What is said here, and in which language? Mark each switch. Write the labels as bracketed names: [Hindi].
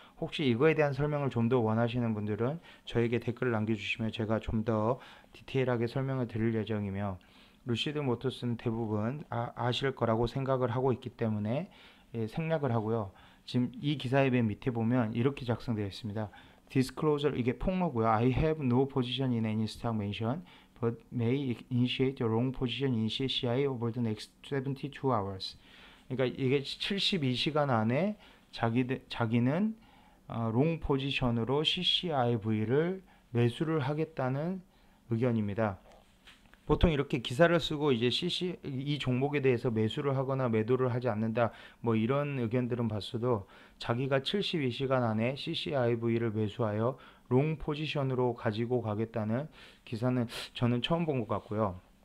[Korean] 혹시 이거에 대한 설명을 좀더 원하시는 분들은 저에게 댓글을 남겨주시면 제가 좀더 디테일하게 설명을 드릴 예정이며 루시드 모터스는 대부분 아실 거라고 생각을 하고 있기 때문에 생략을 하고요. 지금 이 기사에 맨 밑에 보면 이렇게 작성되어 있습니다. Disclosure 이게 폭로고요. [English] I have no position in any stock mention, but may initiate a long position in CCI over the next 72 hours. [Korean] 그러니까 이게 72시간 안에 자기는 롱 포지션으로 CCIV를 매수를 하겠다는 의견입니다. 보통 이렇게 기사를 쓰고 이제 이 종목에 대해서 매수를 하거나 매도를 하지 않는다 뭐 이런 의견들은 봤어도 자기가 72시간 안에 CCIV를 매수하여 롱 포지션으로 가지고 가겠다는 기사는 저는 처음 본것 같고요.